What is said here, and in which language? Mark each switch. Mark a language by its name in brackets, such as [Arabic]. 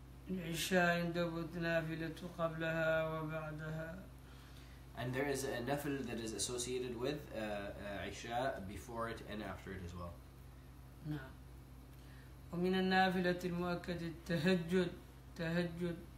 [Arabic] العشاء يندب نافلة قبلها وبعدها. [English] And there is a nafil that is associated with عشاء before it and after it as well. [Arabic] نعم. ومن النافلة المؤكدة التهجد. تهجد.